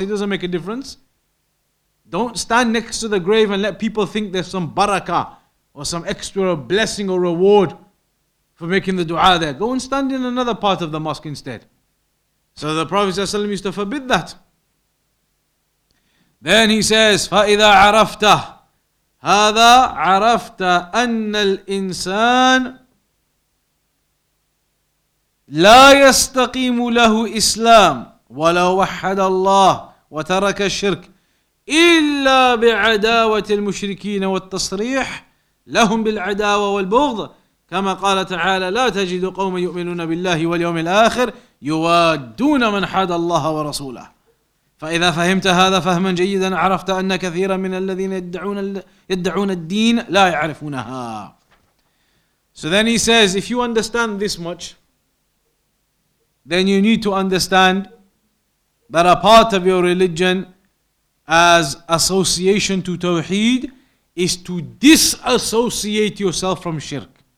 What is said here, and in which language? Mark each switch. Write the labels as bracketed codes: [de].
[en] It doesn't make a difference. Don't stand next to the grave and let people think there's some barakah or some extra blessing or reward for making the dua there. Go and stand in another part of the mosque instead. So the Prophet ﷺ used to forbid that. Then he says, [ar] فَإِذَا عَرَفْتَ هَذَا عَرَفْتَ أَنَّ الْإِنسَانَ لَا يَسْتَقِيمُ لَهُ إِسْلَامٌ وَلَا وَحَّدَ اللَّهُ وَتَرَكَ الشِّرْكُ إِلَّا بِعَدَاوَةِ الْمُشْرِكِينَ وَالتَّصْرِيحِ لَهُمْ بِالْعَدَاوَةِ وَالْبُغْضِ كما قال تعالى لا تجد قوما يؤمنون بالله واليوم الآخر يوادون من حاد الله ورسوله فإذا فهمت هذا فهما جيدا عرفت أن كثيرا من الذين يدعون الدين لا يعرفونها. [en] So then he says, if you understand this much, then you need to understand that a part of your religion as association to Tawheed is to disassociate yourself from shirk.